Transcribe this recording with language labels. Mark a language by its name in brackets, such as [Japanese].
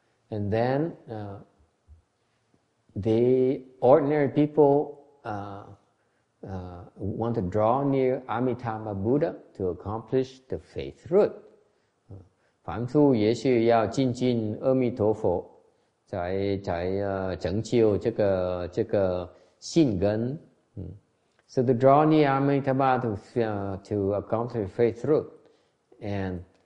[English] And then the ordinary people want to draw near Amitabha Buddha to accomplish the faith root. [Chinese] 凡夫也许要亲近阿弥陀佛，在成就这个信根。 [English] So to draw near Amitabha to accomplish faith root, and